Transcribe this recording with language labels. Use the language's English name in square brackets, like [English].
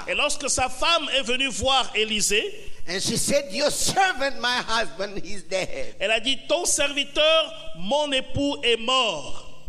[French] et lorsque sa femme est venue voir Élisée, [English] and she said, "Your servant, my husband, is dead." [French] Elle a dit, ton serviteur, mon époux est mort.